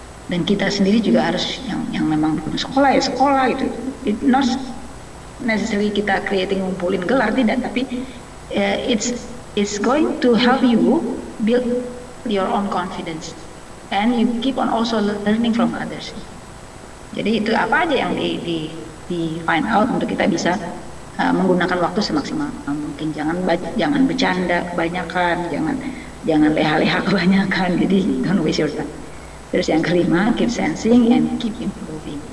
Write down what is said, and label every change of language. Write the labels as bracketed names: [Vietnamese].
[Indonesian] Dan kita sendiri juga harus yang memang sekolah ya sekolah gitu. [English] It not necessarily [Indonesian] kita [English] creating [Indonesian] ngumpulin gelar tidak, tapi [English] it's going to help you build your own confidence and you keep on also learning from others. [Indonesian] Jadi itu apa aja yang di find out untuk kita bisa menggunakan waktu semaksimal mungkin. Jangan bercanda kebanyakan, jangan leha-leha kebanyakan. Jadi [English] don't waste your time. [Indonesian] Terus yang kelima, [English] keep sensing and keep improving.